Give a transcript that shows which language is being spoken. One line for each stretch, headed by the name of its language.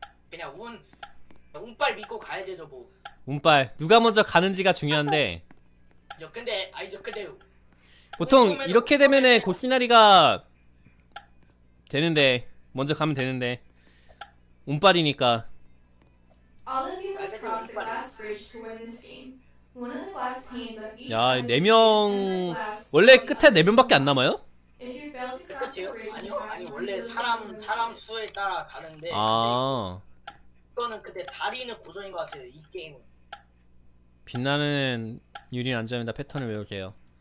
Korean: 그냥 운 운빨 믿고 가야 되죠 뭐. 운빨 누가 먼저 가는지가 중요한데. 저 근데 아니 저 근데 보통 이렇게 되면은 고스나리가 되는데 먼저 가면 되는데 운빨이니까.
English: All of you must cross the last bridge to win this game. One of the last paints of each.
Korean: 야, 네 명. 원래 끝에 네 명밖에 안 남아요? 그렇죠. 아니 원래 사람 수에 따라 다른데. 아. 이거는 근데 다리는 고정인 것 같아요. 이 게임은. 빛나는 유리 안전이다 패턴을 외우세요.